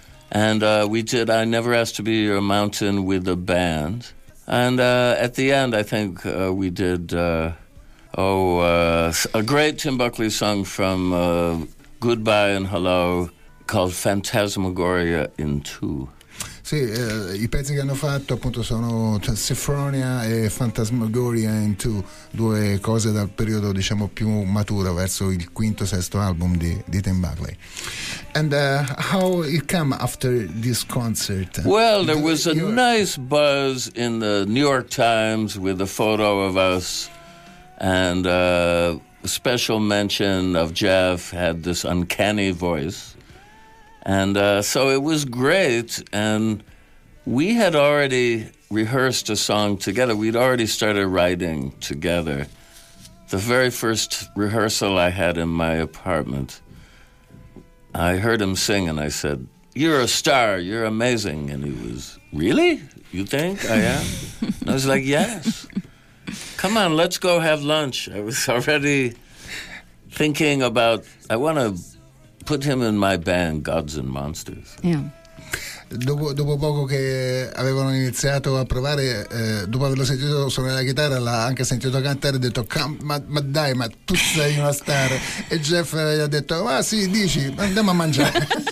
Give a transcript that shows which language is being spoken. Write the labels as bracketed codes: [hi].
[en] And we did I Never Asked to Be Your Mountain with a band. And at the end, I think we did a great Tim Buckley song from Goodbye and Hello called Phantasmagoria in Two. [it] Sì, i pezzi che hanno fatto appunto sono Sophronia e Phantasmagoria in Two, due cose dal periodo diciamo più maturo, verso il quinto sesto album di Tim Buckley. [en] And how it came after this concert? Well, there was a nice buzz in the New York Times with a photo of us, and a special mention of Jeff had this uncanny voice. And so it was great, and we had already rehearsed a song together. We'd already started writing together. The very first rehearsal I had in my apartment, I heard him sing, and I said, "You're a star, you're amazing." And he was, "Really? You think I am?" And I was like, "Yes. Come on, let's go have lunch." I was already thinking about, I want to put him in my band, Gods and Monsters. Yeah. [it] Dopo poco che avevano iniziato a provare, dopo averlo sentito suonare la chitarra, l'ha anche sentito cantare, ha detto: ma dai, ma tu sei una star. E Jeff gli ha detto: "Ma sì, dici, andiamo a mangiare."